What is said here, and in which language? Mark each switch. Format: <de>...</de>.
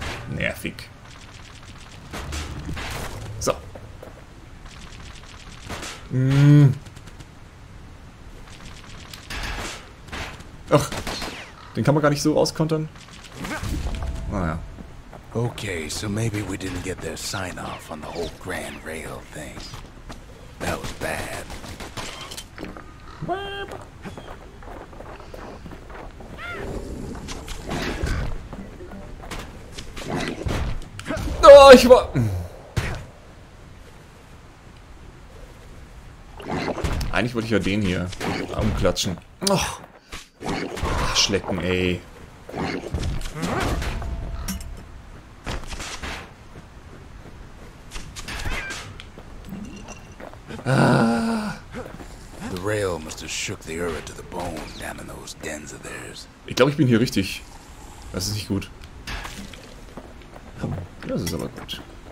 <de>Nervig. So. Ach, den kann man gar nicht so auskontern. Naja.</de> <en>Okay, so maybe we didn't get their sign-off on the whole Grand Rail thing. That was bad.</en> <de>Oh, ich war... Eigentlich wollte ich ja den hier umklatschen. Ach, Schlecken, ey.</de> <en>The rail must have shook the earth to the bone down in those dens of theirs.</en> <de>Ich glaube, ich bin hier richtig. Das ist nicht gut. Das ist aber gut.</de>